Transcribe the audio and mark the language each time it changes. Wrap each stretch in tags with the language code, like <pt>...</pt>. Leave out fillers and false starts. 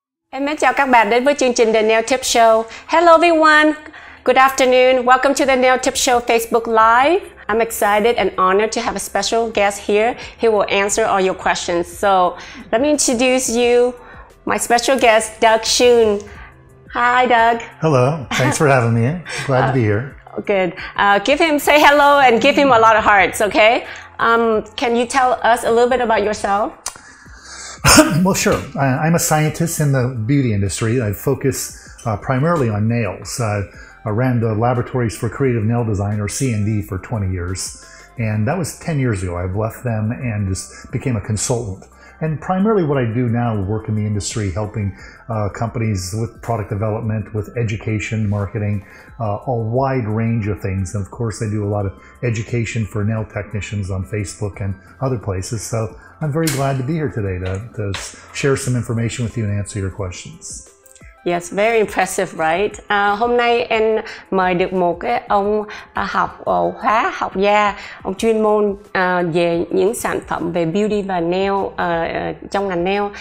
<vi>Em mến chào các bạn đến với chương trình The Nail Tip Show.</vi> <en>Hello everyone. Good afternoon. Welcome to The Nail Tip Show Facebook Live. I'm excited and honored to have a special guest here. He will answer all your questions. So let me introduce you, my special guest, Doug Shun. Hi, Doug. Hello. Thanks for having me. Glad to be here. Good. Say hello and give him a lot of hearts, okay? Can you tell us a little bit about yourself? Well, sure. I'm a scientist in the beauty industry. I focus primarily on nails. I ran the laboratories for creative nail design, or C&D, for 20 years. And that was 10 years ago. I've left them and just became a consultant. And primarily what I do now, work in the industry, helping companies with product development, with education, marketing, a wide range of things. And of course, I do a lot of education for nail technicians on Facebook and other places. So I'm very glad to be here today to share some information with you and answer your questions. Yes, very impressive, right?</en> <vi>Hôm nay em mời được một cái ông học hóa học gia, ông chuyên môn về những sản phẩm về beauty và nail trong ngành nail.</vi>